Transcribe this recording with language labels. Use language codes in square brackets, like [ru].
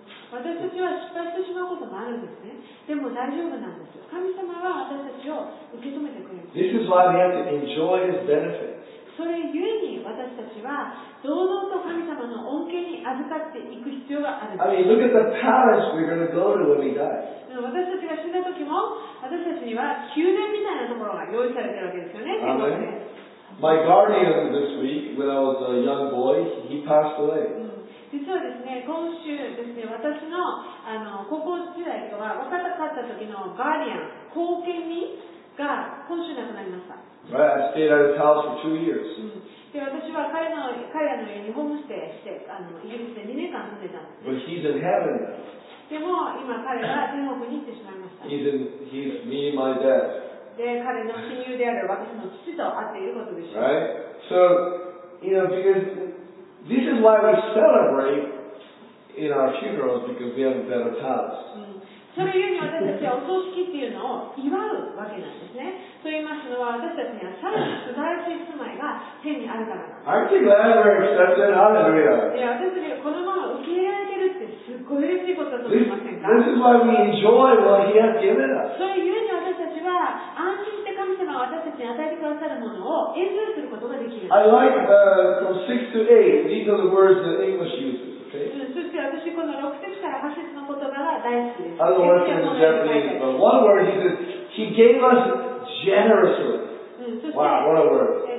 [ja] 私たちは失敗してしまうこともあるんですね。でも大丈夫なんですよ。神様は私たちを受け止めてくれる。 [en] This is why we have to enjoy His benefit. [ja] それゆえに私たちは堂々と神様の恩恵に預かっていく必要があるんです。 [en] I mean, look at the palace we're going to go to when we die. [ja] 私たちが死んだ時も私たちには宮殿みたいなところが用意されてるわけですよね。 [en] Amen. My guardian this week, when I was a young boy, he passed away. [ja] 実はですね、今週ですね、私の、高校時代とは若かった時のガーディアン、後見人が今週亡くなりました。 [en] Right, I stayed at his house for 2 years. [ja] で、私は彼らの家にホームステイして、イギリスで2年間住んでたんです。 [en] But he's in heaven now. [ja] でも、今彼は天国に行ってしまいました。 [en] He's me and my dad. [ja] で、彼の親友である私の父と会っていることでしょう。 [en] Right? So, because this is why we celebrate in our funerals because we have a better house. [ja] そういうふうに私たちはお葬式っていうのを祝うわけなんですね。と言いますのは私たちにはさらに素晴らしい住まいが天にあるからなんです。 [en] Aren't you glad we're accepted? Hallelujah! [ja] いや、私たちがこのまま受け入れられてるってすごい嬉しいことだと思いませんか？ [en] This is why we enjoy what He has given us. [ja] そういうふうに私たちは安心して神様が私たちに与えてくださるものを演奏することができる。 [en] I like from 6 to 8, these are the words that English uses. Okay. I don't know what's in Japanese, but one word he says, He gave us generously. Wow, what a word.